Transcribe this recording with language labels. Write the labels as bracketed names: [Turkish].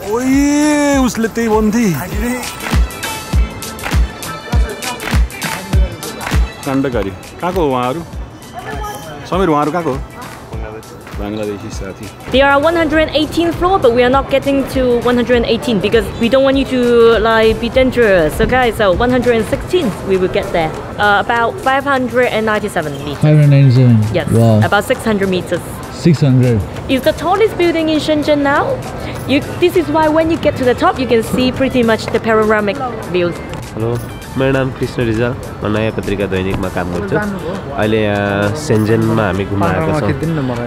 [Nepali] ओइ उसले त्यही भन्थे काण्डकारी. कहाँको हो उहाँहरू? समीर उहाँहरू कहाँको हो? Bangladeshi sathi. [English] There are 118th floor but we are not getting to 118 because we don't want you to like be dangerous. Okay, so 116th we will get there. About 597 meters. Yes. Wow. About 600 meters. 600. Is the tallest building in Shenzhen now? You this is why when you get to the top you can see pretty much the panoramic views. [Nepali] Hello. मेरो नाम कृष्ण रिजाल. म नयाँ पत्रिका दैनिकमा काम गर्छु. अहिले यहाँ सेन्जेनमा हामी घुम्न आएको छौँ.